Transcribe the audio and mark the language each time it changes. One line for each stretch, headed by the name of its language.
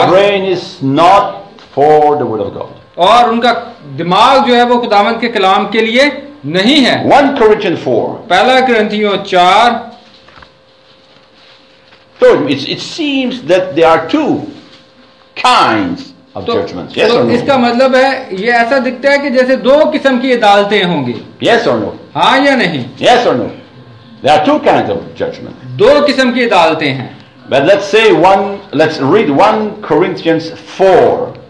English: The brain is not for the word of God.
Urdu: और उनका दिमाग जो है वो खुदावंद के कलाम के लिए नहीं है।
English: 1 Corinthians 4.
Urdu: पहला क्रंथियों 4.
English: So it seems that there are two kinds.
Urdu: इसका मतलब है, ये ऐसा दिखता है कि जैसे दो किस्म की अदालतें होंगी।
English: Yes or no?
Urdu: हाँ या नहीं?
English: Yes or no? There are two kinds of judgment.
Urdu: दो किस्म की अदालतें हैं।
English: But let's read 1 Corinthians 4.